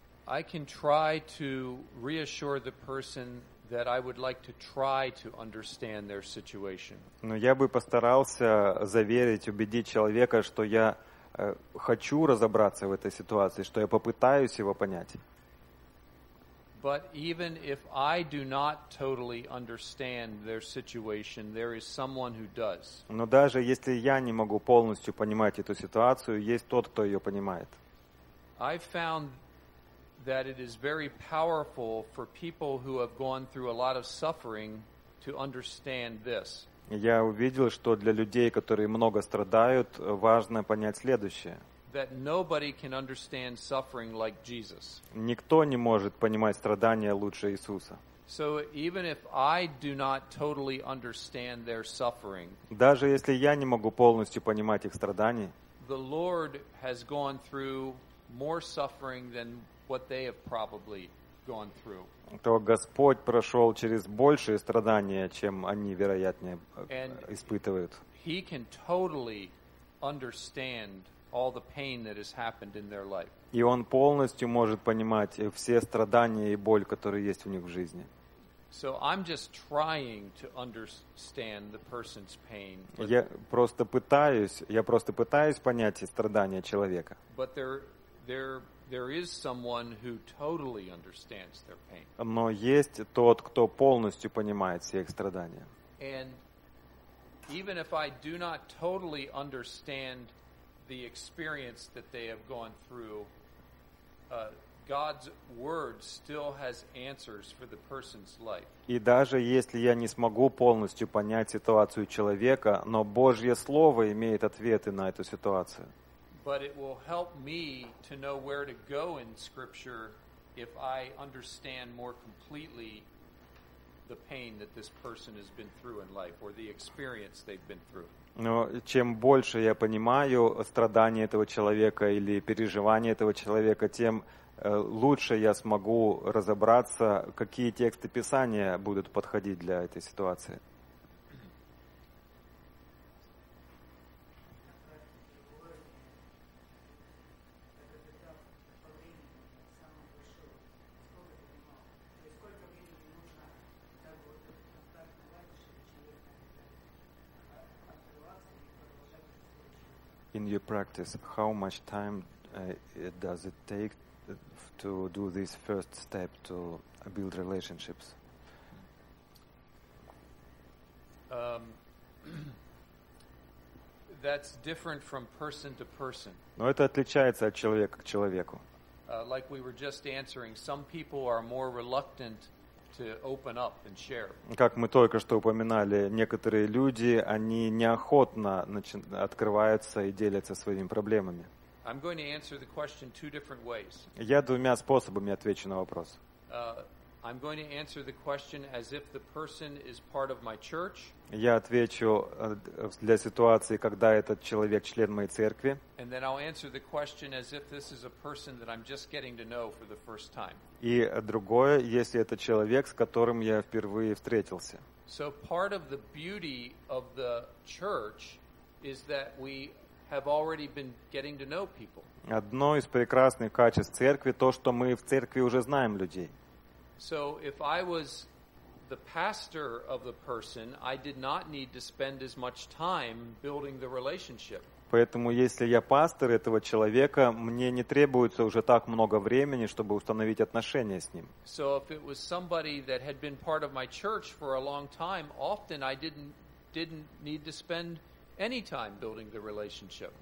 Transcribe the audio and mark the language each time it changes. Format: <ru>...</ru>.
<en>I can try to reassure the person that I would like to try to understand their situation.</en> <ru>Но я бы постарался заверить, убедить человека, что я хочу разобраться в этой ситуации, что я попытаюсь его понять.</ru> <en>But even if I do not totally understand their situation, there is someone who does.</en> <ru>Но даже если я не могу полностью понимать эту ситуацию, есть тот, кто ее понимает.</ru> <en>I found that it is very powerful for people who have gone through a lot of suffering to understand this.</en> <ru>Я увидел, что для людей, которые много страдают, важно понять следующее.</ru> <en>That nobody can understand suffering like Jesus.</en> <ru>Никто не может понимать страдания лучше Иисуса.</ru> <en>So even if I do not totally understand their suffering,</en> <ru>даже если я не могу полностью понимать их страдания,</ru> <en>the Lord has gone through more suffering than what they have probably gone through.</en> <ru>То Господь прошел через большие страдания, чем они, вероятнее, испытывают.</ru> <en>He can totally understand all the pain that has happened in their life.</en> <ru>И он полностью может понимать все страдания и боль, которые есть у них в жизни.</ru> <en>So I'm just trying to understand the person's pain.</en> <ru>Я просто пытаюсь понять страдания человека.</ru> <en>But there is someone who totally understands their pain.</en> <ru>Но есть тот, кто полностью понимает все их страдания.</ru> <en>And even if I do not totally understand the experience that they have gone through, God's word still has answers for the person's life.</en> <ru>И даже если я не смогу полностью понять ситуацию человека, но Божье слово имеет ответы на эту ситуацию.</ru> <en>But it will help me to know where to go in Scripture if I understand more completely the pain that this person has been through in life or the experience they've been through.</en> <ru>Но чем больше я понимаю страдания этого человека или переживания этого человека, тем лучше я смогу разобраться, какие тексты Писания будут подходить для этой ситуации.</ru> <en>In your practice, how much time does it take to do this first step to build relationships? That's different from person to person.</en> <ru>Но это отличается от человека к человеку.</ru> <en>Like we were just answering, some people are more reluctant to open up and share.</en> <ru>Как мы только что упоминали, некоторые люди, они неохотно открываются и делятся своими проблемами.</ru> <en>I'm going to answer the question two different ways.</en> <ru>Я двумя способами отвечу на вопрос.</ru> <en>I'm going to answer the question as if the person is part of my church.</en> <ru>Я отвечу для ситуации, когда этот человек член моей церкви.</ru> <en>And then I'll answer the question as if this is a person that I'm just getting to know for the first time.</en> <ru>И другое, если это человек, с которым я впервые встретился.</ru> <en>So part of the beauty of the church is that we have already been getting to know people.</en> <ru>Одно из прекрасных качеств церкви то, что мы в церкви уже знаем людей.</ru> <en>So if I was the pastor of the person, I did not need to spend as much time building the relationship.</en> <ru>Поэтому если я пастор этого человека, мне не требуется уже так много времени, чтобы установить отношения с ним.</ru> <en>So if it was somebody that had been part of my church for a long time, often I didn't need to spend any time building the relationship.</en>